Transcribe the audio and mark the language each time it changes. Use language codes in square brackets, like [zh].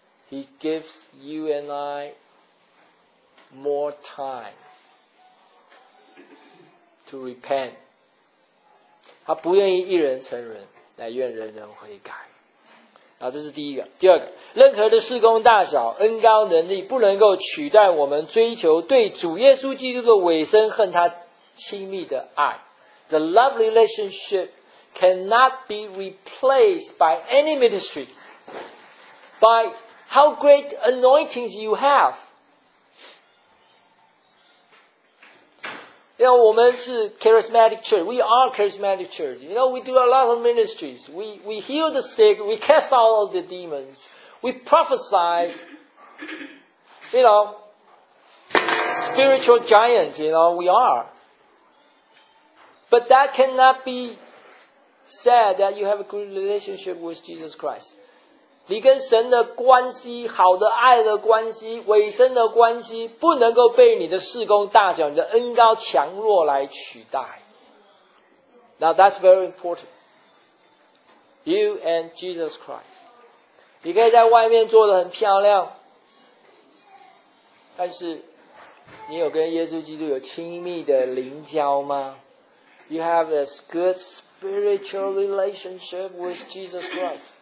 [en] He gives you and I. More times to repent. [zh] 他不愿意一人成人，乃愿人人悔改。好，这是第一个。第二个，任何的事工大小、恩高能力，不能够取代我们追求对主耶稣基督的委身和他亲密的爱。 [en] The love relationship cannot be replaced by any ministry, by how great anointings you have. You know, [zh] 我们是 [en] charismatic church. We are charismatic church. You know, we do a lot of ministries. We heal the sick. We cast out all the demons. We prophesy. You know, spiritual giants, you know, we are. But that cannot be said that you have a good relationship with Jesus Christ. [zh] 你跟神的关系、好的爱的关系、委身的关系，不能够被你的事工大小、你的恩高强弱来取代。 [en] Now that's very important. You and Jesus Christ. [zh] 你可以在外面做得很漂亮，但是你有跟耶稣基督有亲密的灵交吗？ [en] You have a good spiritual relationship with Jesus Christ.